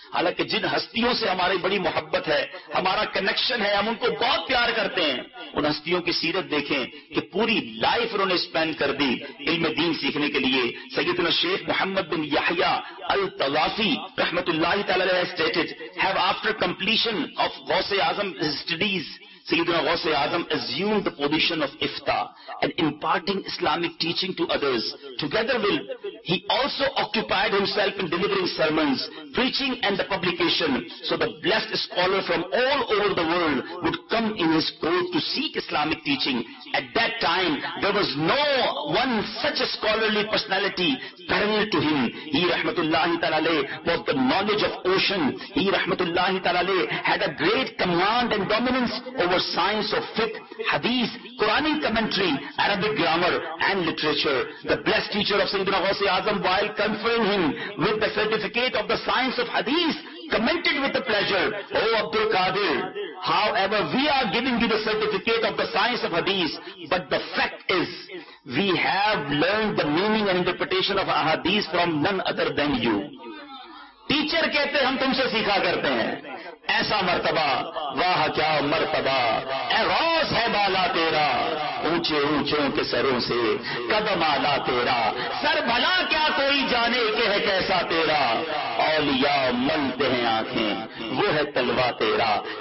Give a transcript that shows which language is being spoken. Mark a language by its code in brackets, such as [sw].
[ur] حالانکہ جن ہستیوں سے ہماری بڑی محبت ہے, ہمارا کنیکشن ہے, ہم ان کو بہت پیار کرتے ہیں, ان ہستیوں کی سیرت دیکھیں کہ پوری لائف انہوں نے اسپینڈ کر دی علم دین سیکھنے کے لیے. [en] سیدنا شیخ محمد بن یحییٰ الطوافی [ur] رحمت اللہ تعالی علیہ [en] Stated, he after completion of غوث اعظم studies, سیدنا غوث اعظم assumed the position of افتا and imparting Islamic teaching to others. Together with, he also occupied himself in delivering sermons, preaching and the publication. So the blessed scholar from all over the world would come in his court to seek Islamic teaching. At that time, there was no one such a scholarly personality parallel to him. He, rahmatullahi ta'ala, was the knowledge of ocean. He, rahmatullahi ta'ala, had a great command and dominance over science of fiqh, hadith, Quranic commentary, Arabic grammar and literature. The blessed teacher of Sayyidina Ghaus-e-Azam, while conferring him with the certificate of the science of hadith, commented with the pleasure, O Abdul Qadir, however we are giving you the certificate of the science of hadith, but the fact is, we have learned the meaning and interpretation of ahadith from none other than you. [ur] Teacher کہتے ہم تم سے سیکھا کرتے ہیں, ایسا مرتبہ, واہ کیا مرتبہ, اے غوث ہے بالا تیرا, اونچے اونچوں کے سروں سے قدم آلا تیرا, سر بھلا کیا کوئی جانے کہ ہے کیسا تیرا, اولیاء ملتے ہیں آنکھیں وہ ہے طلبا تیرا.